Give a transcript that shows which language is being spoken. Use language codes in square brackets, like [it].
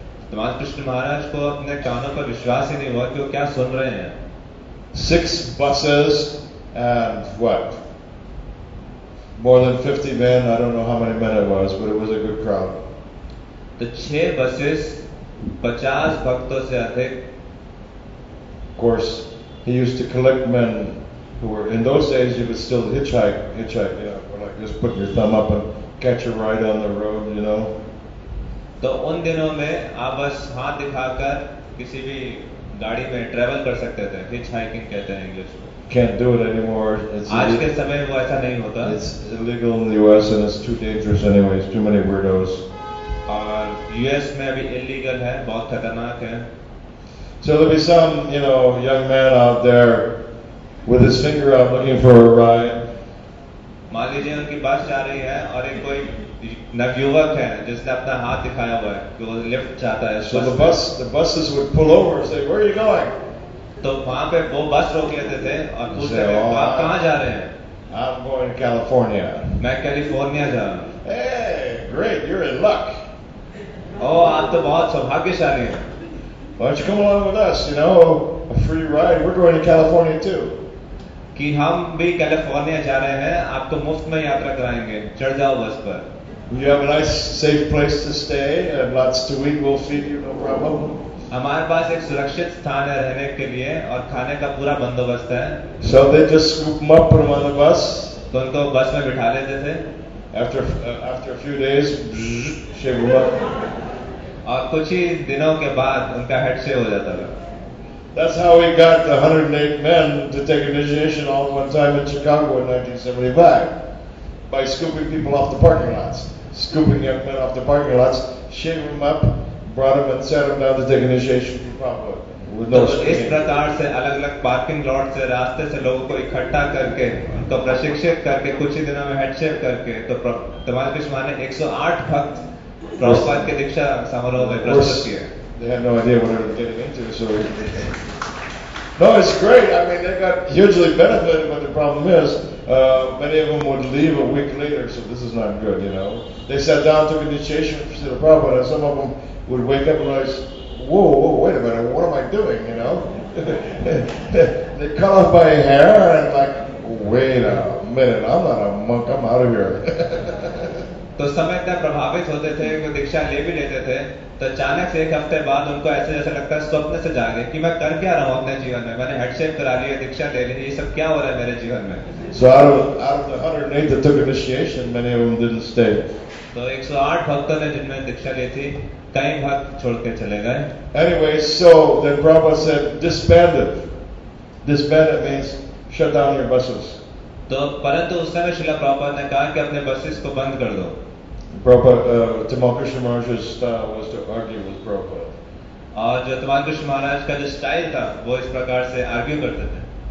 [hi] तमाम कृष्ण महाराज को अपने कानों पर विश्वास ही नहीं हुआ कि वो क्या सुन रहे हैं. [en] Six buses and what more than 50 man, I don't know how many man it was, but it was a good crowd. [hi] तो छह बसेस 50 भक्तों से अधिक. [en] Course He used to collect men who were, in those days you would still hitchhike, you know, or like just put your thumb up and catch a ride on the road, you know. [hi] तो उन दिनों में आप बस हाथ दिखाकर किसी भी गाड़ी में ट्रेवल कर सकते थे, hitchhiking कहते हैं इंग्लिश में. [en] Can't do it anymore. [hi] आज के समय वो ऐसा नहीं होता. [en] It's illegal in the US and it's too dangerous anyway, it's too many weirdos. [hi] और US में अभी illegal है, बहुत खतरनाक है. [en] So there'll be some, you know, young man out there with his finger up looking for a ride. [hi] मान लीजिए उनकी बस जा रही है और एक कोई नवयुवक है जिसने अपना हाथ दिखाया हुआ है कि वो लिफ्ट चाहता है. [en] So the buses would pull over and say, "Where are you going?" [hi] तो वहाँ पे वो बस रोक लेते थे और पूछते थे, "तो आप कहाँ जा रहे हैं?" [en] "I'm going to California." [hi] मैं कैलिफोर्निया जा रहा हूँ. [en] "Hey, great! You're in luck." [hi] Oh, आप तो बहुत सौभाग्यशाली हैं. [en] "Why don't you come along with us? You know, a free ride. We're going to California too." [hi] कि हम भी कैलिफोर्निया जा रहे हैं, आपको मुफ्त में यात्रा कराएंगे, चढ़ जाओ बस पर. [en] "We have a nice, safe place to stay and lots to eat. We'll feed you, no problem." [hi] हमारे पास एक सुरक्षित स्थान है रहने के लिए और खाने का पूरा बंदोबस्त है. [en] So they just scoop them up on the bus. [hi] तो उनको बस में बिठा लेते थे. [en] After a few days, shave them up. [hi] और कुछ ही दिनों के बाद उनका हेड से हो जाता था. [en] That's how we got the 108 men to take initiation all one time in Chicago in 1975 by scooping people off the parking lots, scooping young men off the parking lots, shaving them up, brought them and sat them down to take initiation for Prabhupada. [hi] तो इस प्रकार से अलग-अलग parking lot से रास्ते से लोगों को इकट्ठा करके उनको प्रशिक्षित करके कुछ ही दिनों में हेड से करके तो तमाल कृष्ण महाराज ने 108 भक्त प्रभुपाद के दीक्षा समारोह में प्रस्तुत किए. [en] They had no idea what they were getting into, so. No, it's great. I mean, they got hugely benefited, but the problem is, many of them would leave a week later, so this is not good, you know. They sat down, took initiation for the problem, and some of them would wake up and realize, whoa, wait a minute, what am I doing, you know? They cut off my hair, and like, wait a minute, I'm not a monk, I'm out of here. [hi] तो समय इतना प्रभावित होते थे कि दीक्षा ले भी लेते थे तो अचानक से एक हफ्ते बाद उनको ऐसे जैसे लगता है स्वप्न से जागे कि मैं कर क्या रहा हूं अपने जीवन में, मैंने हेड शेप करा लिया, दीक्षा ले ली, ये सब क्या हो रहा है मेरे जीवन में. [en] So out of the 108 that took initiation, many of them didn't stay. [hi] तो 108 भक्तों ने जिनमें दीक्षा ली थी कई भक्त छोड़ के चले गए. [en] Anyway, so then Prabhupada said, disbanded. Disbanded means shut down your buses. [hi] तो परंतु उस समय श्रील प्रभुपाद ने कहा कि अपने बसेस को बंद कर दो. [en] Tamal Krishna Maharaj style was to argue with Prabhupada. [hi] और जो तमाल कृष्ण महाराज का जो स्टाइल था वो इस प्रकार से आर्ग्यू करते थे.